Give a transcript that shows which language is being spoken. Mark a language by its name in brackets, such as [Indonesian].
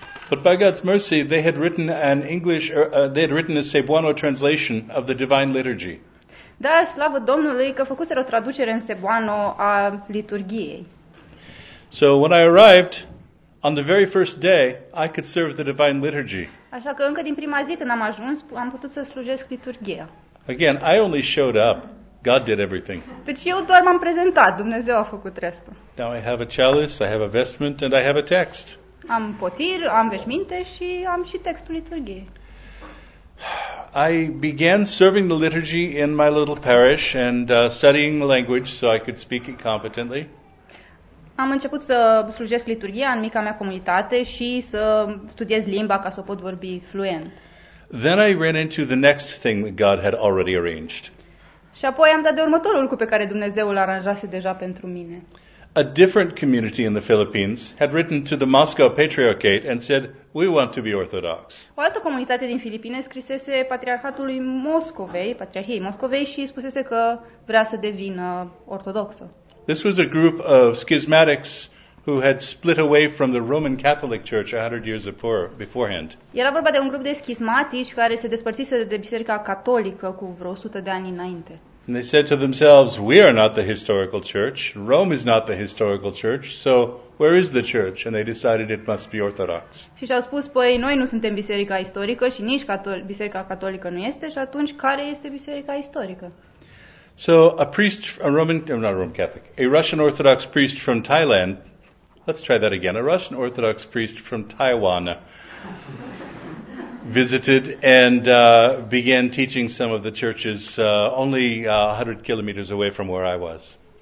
[English] But by God's mercy, they had written an English, they had written a Cebuano translation of the Divine Liturgy. [Romanian] Dar slavă Domnului că făcuseră o traducere în Cebuano a liturgiei. [English] So when I arrived on the very first day, I could serve the divine liturgy. [Romanian] Așa că încă din prima zi când am ajuns, am putut să slujesc liturghia. [English] Again, I only showed up. God did everything. [Romanian] Deci eu doar m-am prezentat, Dumnezeu a făcut restul. [English] Now I have a chalice, I have a vestment and I have a text. [Romanian] Am potir, am veșminte și am și textul liturghiei. [English] I began serving the liturgy in my little parish and studying the language so I could speak it competently. [Romanian] Am început să slujesc liturghia în mica mea comunitate și să studiez limba ca să o pot vorbi fluent. [English] Then I ran into the next thing that God had already arranged. [Romanian] Și apoi am dat de următorul lucru pe care Dumnezeu l-aranjase deja pentru mine. [English] a different community in the Philippines had written to the Moscow Patriarchate and said, "We want to be Orthodox." [Romanian] O altă comunitate din Filipine scrisese Patriarhatului Moscovei, Patriarhiei Moscovei, și spusese că vrea să devină ortodoxă. [English] This was a group of schismatics who had split away from the Roman Catholic Church 100 years beforehand. [Romanian] Era vorba de un grup de schismatici care se despărțise de Biserica Catolică cu vreo 100 de ani înainte. [English] And they said to themselves, "We are not the historical church. Rome is not the historical church. So where is the church?" And they decided it must be Orthodox. [Romanian] Și au spus, păi, noi nu suntem biserica istorică și nici biserica catolică nu este, și atunci care este biserica istorică? [English] So a priest, a Russian Orthodox priest from Thailand, let's try that again, a Russian Orthodox priest from Taiwan visited and began teaching some of the churches only 100 kilometers away from where I was.